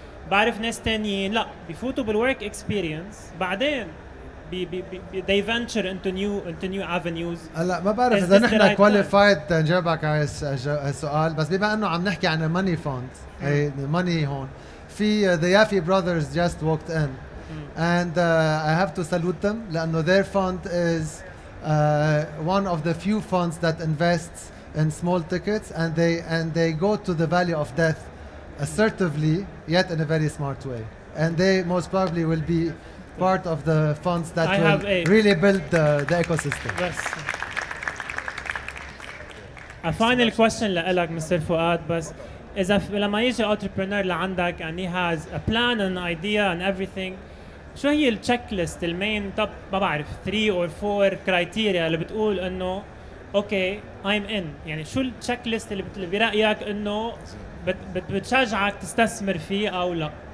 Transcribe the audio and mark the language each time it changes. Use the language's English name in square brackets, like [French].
[Arabic] بعرف ناس تانيين لا، بيفوتوا بالwork experience بعدين [English] they venture into new avenues. [Arabic] هلا ما بعرف إذا نحن right qualified نجاوبك على هالسؤال، بس بما إنه عم نحكي عن money funds money هون في [English] the Yaffe brothers just walked in. And I have to salute them لأنه their fund is one of the few funds that invests in small tickets and they go to the valley of death assertively yet in a very smart way. And they most probably will be part of the funds that I will really build the ecosystem. Yes. A final question لألك Mr. [Arabic] Fuad بس إذا لما يجي entrepreneur لعندك [English] and he has a plan and idea and everything، [Arabic] شو هي التشيك ليست المين طب ما بعرف 3 اور 4 كرايتيريا اللي بتقول انه اوكي ايم ان، يعني شو التشيك ليست اللي برايك انه بتشجعك تستثمر فيه او لا؟